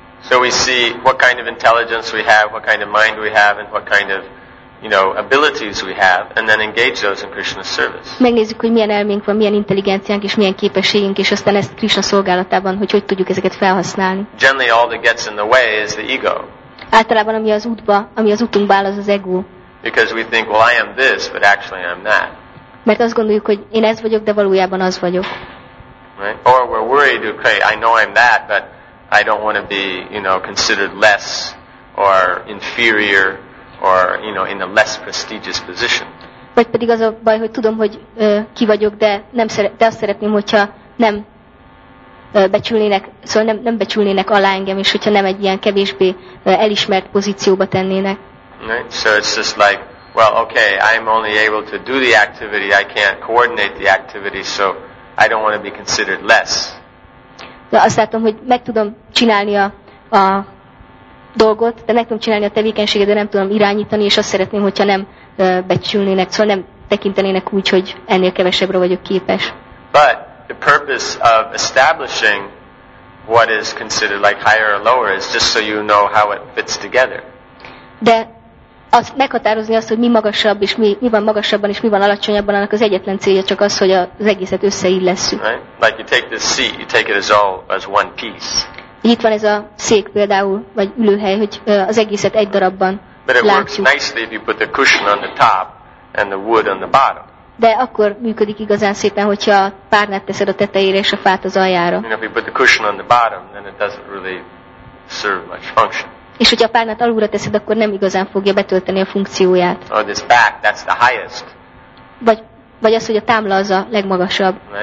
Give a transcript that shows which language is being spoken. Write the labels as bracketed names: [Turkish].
[English] So we see what kind of intelligence we have, what kind of mind we have, and what kind of, you know, abilities we have, and then engage those in Krishna's service. [Hungarian] Megnézzük, hogy milyen elménk van, milyen intelligenciánk és milyen képességünk, és aztán ezt Krishna szolgálatában, hogy tudjuk ezeket felhasználni. [English] Generally, all that gets in the way is the ego. [Hungarian] Általában ami az útba, ami az útunkba áll, az az ego. [English] Because we think, well, I am this, but actually I'm that. [Hungarian] Mert azt gondoljuk, hogy én ez vagyok, de valójában az vagyok. [English] Right? Or we're worried, okay, I know I'm that, but I don't want to be, you know, considered less or inferior or, you know, in a less prestigious position. [Hungarian] Vagy pedig az a baj, hogy tudom, hogy ki vagyok, de nem de azt szeretném, hogyha nem becsülnének, szóval nem becsülnének alá engem, és hogyha nem egy ilyen kevésbé elismert pozícióba tennének. [English] Right? So it's just like, well, okay, I'm only able to do the activity, I can't coordinate the activity, so I don't want to be considered less. [Hungarian] De azt látom, hogy meg tudom csinálni a dolgot, de meg tudom csinálni a tevékenységet, de nem tudom irányítani, és azt szeretném, hogyha nem becsülnének, szóval nem tekintenének úgy, hogy ennél kevesebbre vagyok képes. [English] But the purpose of establishing what is considered like higher or lower is just so you know how it fits together. [Hungarian] De az meghatározni azt, hogy mi magasabb és mi van magasabban és mi van alacsonyabban, annak az egyetlen célja csak az, hogy az egészet összeillesszük. [English] Right? Like you take this seat, you take it as all as one piece. [Hungarian] Itt van ez a szék például, vagy ülőhely, hogy az egészet egy darabban látjuk. [English] But it works nicely if you put the cushion on the top and the wood on the bottom. [Hungarian] De akkor működik igazán szépen, hogyha a párnát teszed a tetejére és a fát az aljára. [English] You know, if you put the cushion on the bottom, then it doesn't really serve much function. [Hungarian] És hogyha a párnát alulra teszed, akkor nem igazán fogja betölteni a funkcióját. [English] Or this back, that's the highest. [Hungarian] Vagy az, hogy a támla az a legmagasabb.